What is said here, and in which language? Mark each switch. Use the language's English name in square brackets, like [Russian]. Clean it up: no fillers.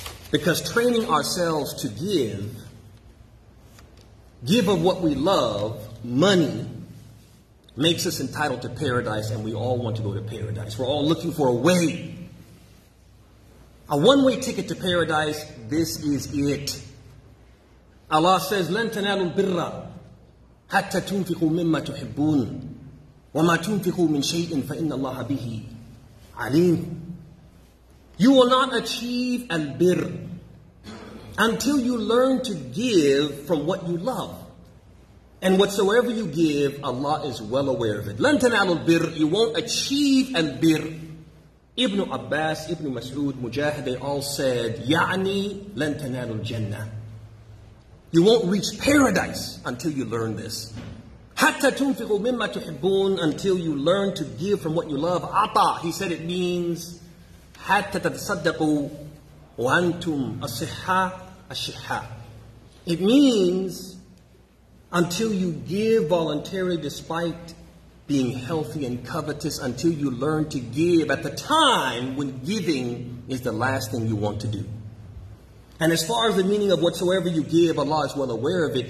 [English] Because training ourselves to give of what we love, money, makes us entitled to paradise, and we all want to go to paradise. We're all looking for a way. A one-way ticket to paradise, this is it. Allah says, [Arabic] لَن تَنَالُوا الْبِرَّ حَتَّى تُنْفِقُوا مِمَّا تُحِبُّونَ وَمَا تُنْفِقُوا مِنْ شَيْءٍ فَإِنَّ اللَّهَ بِهِ عَلِيمٌ. [English] You will not achieve al-birr until you learn to give from what you love. And whatsoever you give, Allah is well aware of it. [Arabic] لَن تَنَالُوا الْبِرَّ. [English] You won't achieve al-birr. Ibn Abbas, Ibn Mas'ud, Mujahid, they all said, [Arabic] يَعْنِي لَن تَنَالُوا الْجَنَّةِ. [English] You won't reach paradise until you learn this. [Arabic] حَتَّى تُنْفِقُوا مِمَّا تُحِبُّونَ. [English] Until you learn to give from what you love. [Arabic] عَطَى, [English] he said it means, [Arabic] حَتَّى تَتَصَدَّقُوا وَأَنْتُمْ أَصِحَّةَ. [English] It means, until you give voluntarily despite being healthy and covetous, until you learn to give at the time when giving is the last thing you want to do. And as far as the meaning of whatsoever you give, Allah is well aware of it.